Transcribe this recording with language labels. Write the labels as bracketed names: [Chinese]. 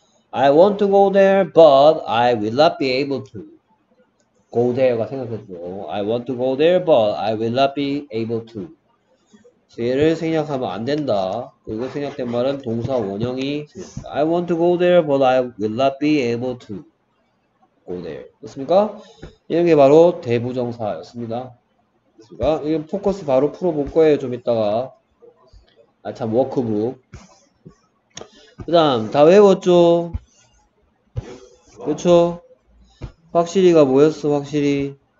[English] I want to go there, but I will not be able to. Go there [Korean] 가 생각했죠. [English] I want to go there, but I will not be able to. [Korean] 얘를 생략하면 안 된다. 이거 생략된 말은 동사 원형이. [English] I want to go there, but I will not be able to go there. [Korean] 그렇습니까? 이런 게 바로 대부정사였습니다. 그렇습니까? 이건 포커스 바로 풀어볼 거예요. 좀 이따가. 아, 참, 워크북. 그 다음 다 외웠죠? 그쵸? 확실히가 뭐였어? 확실히